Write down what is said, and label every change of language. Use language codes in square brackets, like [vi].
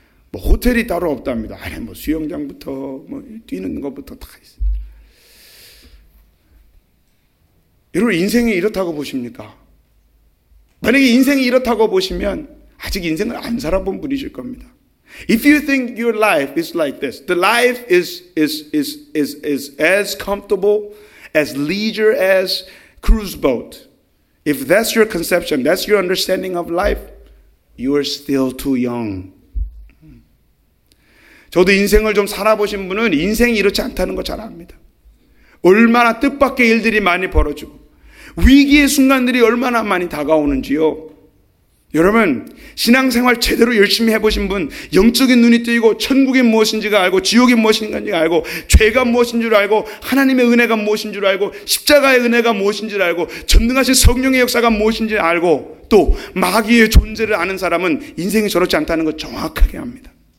[ko] 뭐 호텔이 따로 없답니다. 안에 뭐 수영장부터 뭐 뛰는 것부터 다 있어요. 여러분 인생이 이렇다고 보십니까? 만약에 인생이 이렇다고 보시면 아직 인생을 안 살아본 분이실 겁니다. [en] If you think your life is like this, the life is as comfortable, as leisure as cruise boat. If that's your conception, that's your understanding of life, you are still too young. [ko] 저도 인생을 좀 살아보신 분은 인생이 이렇지 않다는 거 잘 압니다. 얼마나 뜻밖의 일들이 많이 벌어지고 위기의 순간들이 얼마나 많이 다가오는지요. 여러분 신앙생활 제대로 열심히 해보신 분 영적인 눈이 뜨이고 천국이 무엇인지가 알고 지옥이 무엇인지 알고 죄가 무엇인 줄 알고 하나님의 은혜가 무엇인 줄 알고 십자가의 은혜가 무엇인 줄 알고 전능하신 성령의 역사가 무엇인지 알고 또 마귀의 존재를 아는 사람은 인생이 저렇지 않다는 걸 정확하게 압니다.